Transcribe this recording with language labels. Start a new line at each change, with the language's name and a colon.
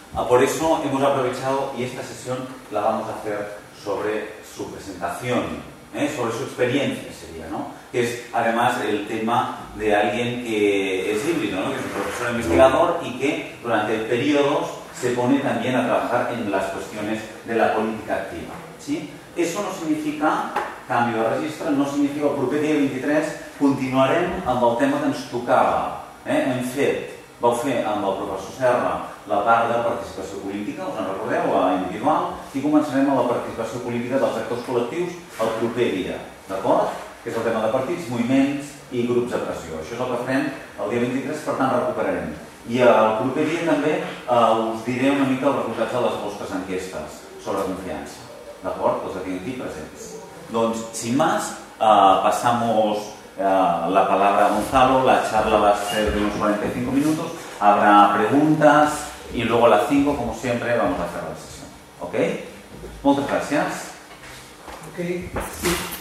Spanish: Por eso hemos aprovechado y esta sesión la vamos a hacer sobre su presentación, sobre su experiencia sería, ¿no? Que es además el tema de alguien que es híbrido, ¿no? Que es un profesor investigador y que durante periodos se pone también a trabajar en las cuestiones de la política activa, ¿sí? Eso no significa cambio de registro, no significa que
Catalan: el proper dia 23 continuarem amb el tema que ens tocava, hem fet, vau fer amb el professor Serra la part de participació política, us en recordeu, a individual, i començarem amb la participació política dels actors col·lectius el proper dia, d'acord? Que és el tema de partits, moviments i grups de pressió. Això és el que farem el dia 23, per tant recuperarem. I el proper dia també us diré una mica el resultat de les vostres enquestes sobre confiança, d'acord? Els tinc aquí presents.
Spanish: Doncs, sin más, pasamos la palabra a Gonzalo. La charla va a ser de unos 45 minutos. Habrá preguntas y luego a las 5, como siempre, vamos a cerrar la sesión. ¿Ok? Muchas gracias. Ok. Sí.